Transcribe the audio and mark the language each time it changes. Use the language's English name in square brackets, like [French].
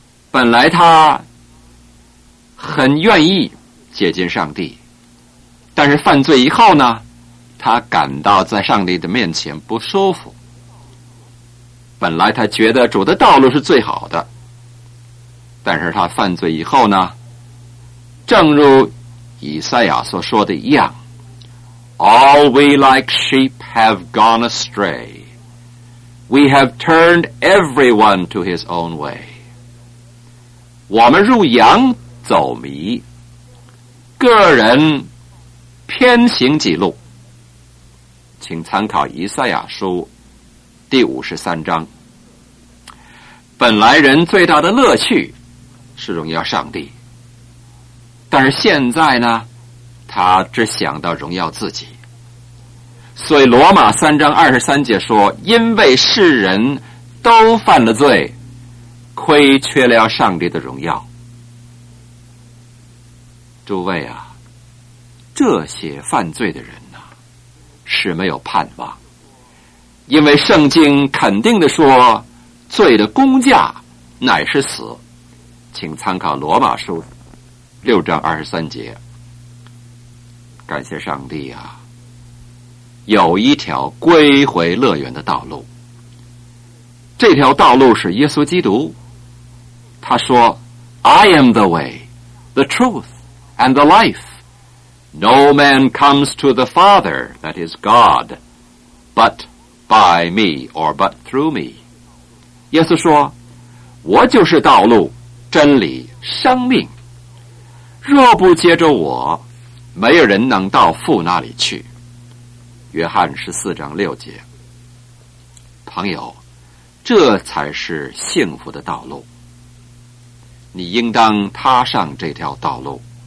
[Chinese] 本来他很愿意接近上帝，但是犯罪以后呢，他感到在上帝的面前不舒服。本来他觉得主的道路是最好的，但是他犯罪以后呢，正如以赛亚所说的一样， [English] All we like sheep have gone astray. We have turned everyone to his own way. [Chinese] 我们如羊走迷，个人偏行己路。请参考以赛亚书第53章。本来人最大的乐趣是荣耀上帝，但是现在呢，他只想到荣耀自己。所以罗马三章23节说，因为世人都犯了罪，亏缺了上帝的荣耀。诸位啊，这些犯罪的人呢，是没有盼望，因为圣经肯定地说，罪的工价乃是死。请参考罗马书六章23节。感谢上帝啊，有一条归回乐园的道路，这条道路是耶稣基督。他说， [English] I am the way, the truth, and the life. No man comes to the Father, that is God, but by me or but through me. [Chinese] 耶稣说，我就是道路、真理、生命，若不接着我，没有人能到父那里去。约翰14章6节。朋友，这才是幸福的道路，你应当踏上这条道路。